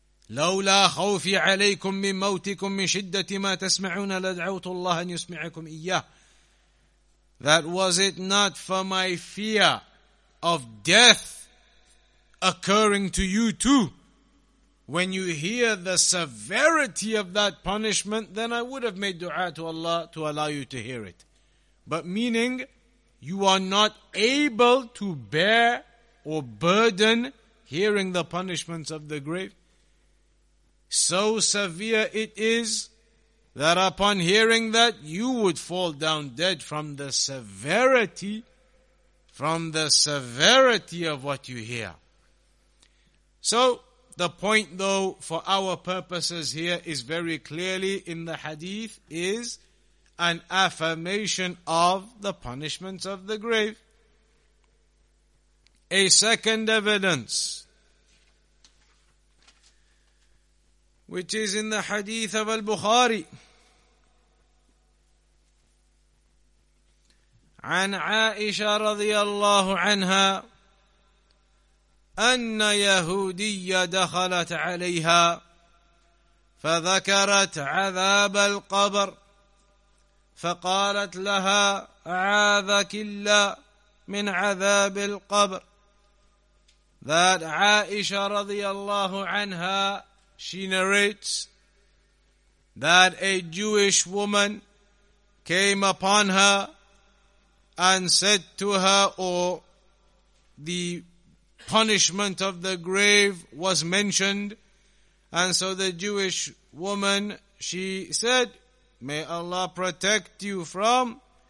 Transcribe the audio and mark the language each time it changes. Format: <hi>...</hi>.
<ar>لولا خوفي عليكم من موتكم من شدة ما تسمعون لدعوت الله أن يسمعكم إياه.</ar> <en>That was it not for my fear of death occurring to you too. When you hear the severity of that punishment, then I would have made dua to Allah to allow you to hear it. But meaning, you are not able to bear or burden hearing the punishments of the grave. So severe it is that upon hearing that, you would fall down dead from the severity of what you hear. So the point, though, for our purposes here is very clearly in the hadith is an affirmation of the punishments of the grave. A second evidence, which is in the hadith of al-Bukhari.</en> <ar>عن عائشة رضي الله عنها أن يهودية دخلت عليها فذكرت عذاب القبر فقالت لها أعاذك الله من عذاب القبر.</ar> <en>That Aisha</en> <ar>رضي الله عنها,</ar> <en>she narrates that a Jewish woman came upon her and said to her, punishment of the grave was mentioned, and so the Jewish woman, she said, may Allah protect you from</en>